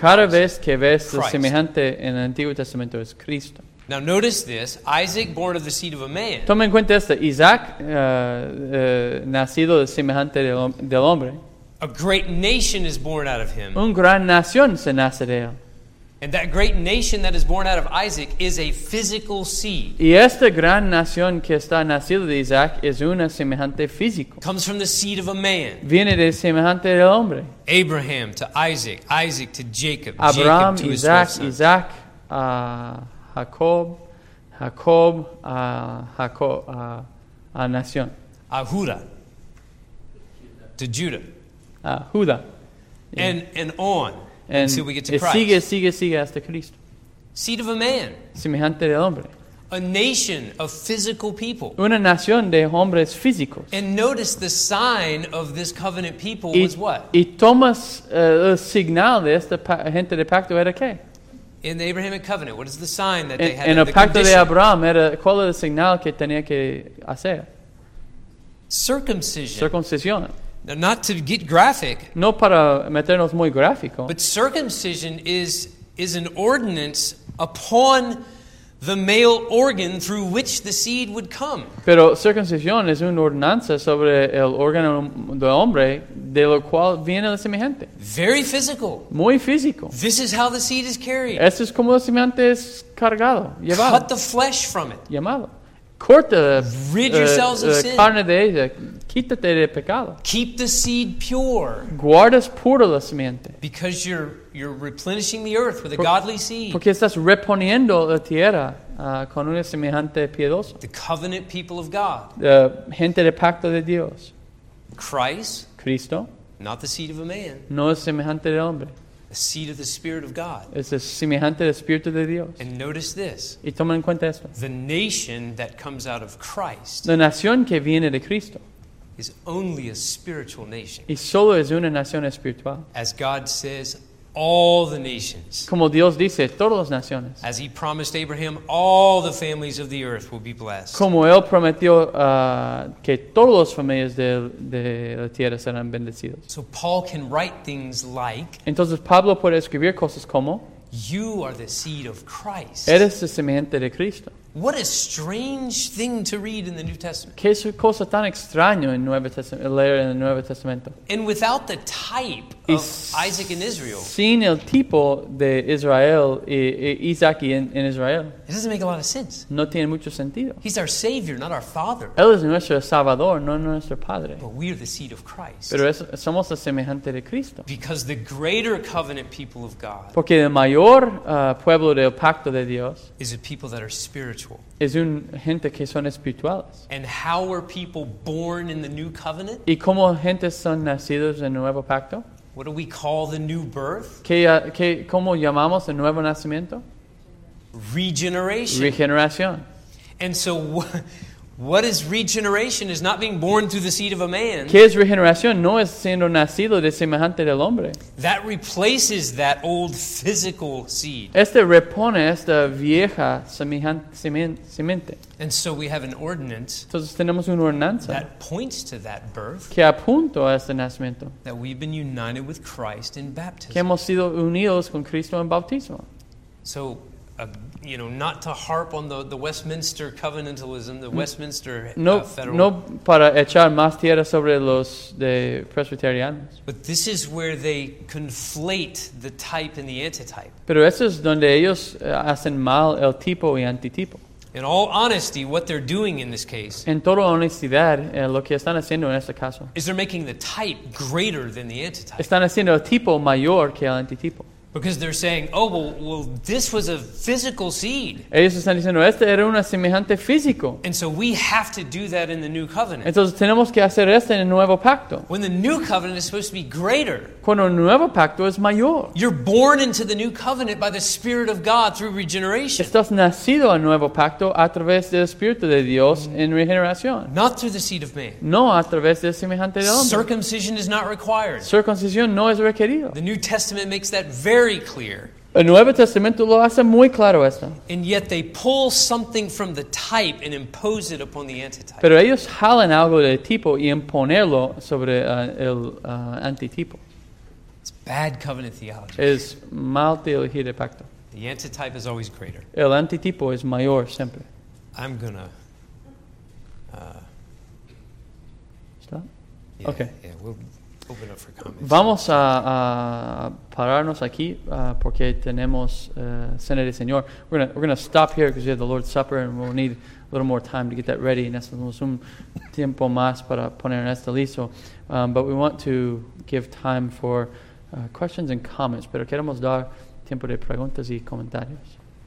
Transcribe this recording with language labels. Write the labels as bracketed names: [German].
[Spanish] cada vez que ves lo semejante en el Antiguo Testamento es Cristo. [English] Now notice this: Isaac, born of the seed of a man. [Spanish] Toma en cuenta esto: Isaac, nacido de semejante del hombre. [English] A great nation is born out of him. [Spanish] Un gran nación se nace de él. [English] And that great nation that is born out of Isaac is a physical seed. [Spanish] Y esta gran nación que está nacida de Isaac es una semejante físico. [English] Comes from the seed of a man. [Spanish] Viene de semejante del hombre. [English] Abraham to Isaac, Isaac to Jacob, Abraham, Jacob to Isaac, his son. [Spanish] Isaac a Jacob, Jacob a Jacob a nación. A Judá [English] to Judah. [Spanish] A Judá. [English] Yeah. And on. And until we get to Christ. [Spanish] Sigue hasta Cristo. [English] Seed of a man. [Spanish] Semejante del hombre. [English] A nation of physical people. [Spanish] Una nación de hombres físicos. [English] And notice the sign of this covenant people was what? [Spanish] Y tomas el signal de esta gente de pacto era qué? [English] In the Abrahamic covenant, what is the sign that they had in the pacto condition? [Spanish] De Abraham era, ¿cuál era el signal que tenía que hacer? [English] Circumcision. [Spanish] Circuncisión. [English] Not to get graphic. [Spanish] No para meternos muy gráfico. [English] But circumcision is an ordinance upon the male organ through which the seed would come. [Spanish] Pero circuncisión es una ordenanza sobre el órgano del hombre de lo cual viene la semejante. [English] Very physical. [Spanish] Muy físico. [English] This is how the seed is carried. [Spanish] Esto es como la semejante es cargado, llevado. [English] Cut the flesh from it. [Spanish] Llamado. Corta [English] rid yourselves of sin. [Spanish] Carne de ella. Quítate de pecado. [English] Keep the seed pure. [Spanish] Guardas pura la semente. [English] Because you're replenishing the earth with a godly seed. [Spanish] Porque estás reponiendo la tierra con una semejante piedosa. [English] The covenant people of God. [Spanish] La gente de pacto de Dios. [English] Christ. [Spanish] Cristo. [English] Not the seed of a man. [Spanish] No es semejante del hombre. [English] The seed of the Spirit of God. [Spanish] Es el semejante del Espíritu de Dios. [English] And notice this. [Spanish] Y toma en cuenta esto. [English] The nation that comes out of Christ. [Spanish] La nación que viene de Cristo. [English] Is only a spiritual nation. [Spanish] Y solo es una nación espiritual. [English] As God says, all the nations. [Spanish] Como Dios dice, todas las naciones. [English] As He promised Abraham, all the families of the earth will be blessed. [Spanish] Como Él prometió que todas las familias de la tierra serán bendecidas. [English] So Paul can write things like. [Spanish] Entonces Pablo puede escribir cosas como. [English] You are the seed of Christ. [Spanish] Eres la semente de Cristo. [English] What a strange thing to read in the New Testament. [Spanish] ¿Qué es cosa tan extraño en Nuevo Testamento, leer en el Nuevo Testamento? [English] And without the type of Isaac and Israel. [Spanish] Sin el tipo de Israel, Isaac y en Israel. [English] It doesn't make a lot of sense. [Spanish] No tiene mucho sentido. [English] He's our Savior, not our Father. [Spanish] Él es nuestro Salvador, no nuestro Padre. [English] But we are the seed of Christ. [Spanish] Pero somos la semejante de Cristo. [English] Because the greater covenant people of God. [Spanish] Porque el mayor pueblo del pacto de Dios. [English] Is a people that are spiritual. [Spanish] Es un gente que son espirituales. [English] And how were people born in the new covenant? [Spanish] ¿Y cómo gente son nacidos en nuevo pacto? [English] What do we call the new birth? [Spanish] ¿Cómo llamamos el nuevo nacimiento? [English] regeneration. [Spanish] Regeneración. [English] And so what is regeneration is not being born through the seed of a man. [Spanish] ¿Qué es regeneración? No es siendo nacido de semejante del hombre. [English] That replaces that old physical seed. [Spanish] Este repone esta vieja semente. [English] And so we have an ordinance. [Spanish] Entonces tenemos una ordenanza. [English] That points to that birth. [Spanish] Que apunta a este nacimiento. [English] That we've been united with Christ in baptism. [Spanish] Que hemos sido unidos con Cristo en bautismo. [English] So you know, not to harp on the Westminster Covenantalism, the Westminster federal. [Spanish] No para echar más tierra sobre los de presbiterianos. [English] But this is where they conflate the type and the antitype. [Spanish] Pero eso es donde ellos hacen mal el tipo y antitipo. [English] In all honesty, what they're doing in this case. [Spanish] En toda honestidad, lo que están haciendo en este caso. [English] Is they're making the type greater than the antitype. [Spanish] Están haciendo el tipo mayor que el antitipo. [English] Because they're saying, oh, well, this was a physical seed. [Spanish] Ellos están diciendo, este era una semejante físico. [English] And so we have to do that in the new covenant. [Spanish] Entonces tenemos que hacer esto en el nuevo pacto. [English] When the new covenant is supposed to be greater. [Spanish] Cuando el nuevo pacto es mayor. [English] You're born into the new covenant by the Spirit of God through regeneration. [Spanish] Estás nacido al nuevo pacto a través del Espíritu de Dios en regeneración. [English] Not through the seed of man. [Spanish] No a través del semejante del hombre. [English] Circumcision is not required. [Spanish] Circuncisión no es requerido. [English] The New Testament makes that very clear. [Spanish] El Nuevo Testamento lo hace muy claro esto. [English] And yet they pull something from the type and impose it upon the antitype. [Spanish] Pero ellos jalan algo del tipo y imponerlo sobre el antitipo. [English] It's bad covenant theology. [Spanish] Es mal teología de pacto. [English] The antitype is always greater. [Spanish] El antitipo es mayor siempre. [English] I'm going to... Stop? Yeah, okay. Yeah, we'll... Open up for comments. [Spanish] Vamos a pararnos aquí porque tenemos cena del Señor. [English] We're gonna stop here because we have the Lord's Supper and we'll need a little more time to get that ready. [Spanish] Necesitamos un tiempo más para poner esto listo. [English] But we want to give time for questions and comments. [Spanish] Pero queremos dar tiempo de preguntas y comentarios.